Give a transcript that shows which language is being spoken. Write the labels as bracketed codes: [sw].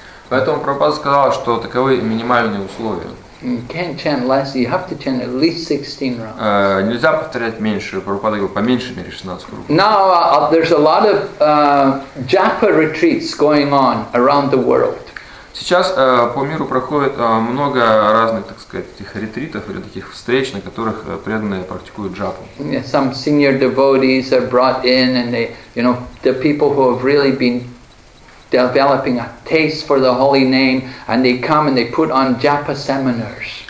[ru] Поэтому Прабхупада сказал, что таковы минимальные условия. [en] You can't chant less, you have to chant at least 16 rounds. [ru] Нельзя повторять меньше, Прабхупада говорил, по меньшей мере 16 кругов. [en] Now there's a lot of japa retreats going on around the world. [ru] Сейчас по миру проходит много разных, так сказать, этих ретритов или таких встреч, на которых преданные практикуют джапу. [en] Yeah, some senior devotees are brought in and they, you know, the people who have really been developing a taste for the holy name, and they come and they put on japa seminars.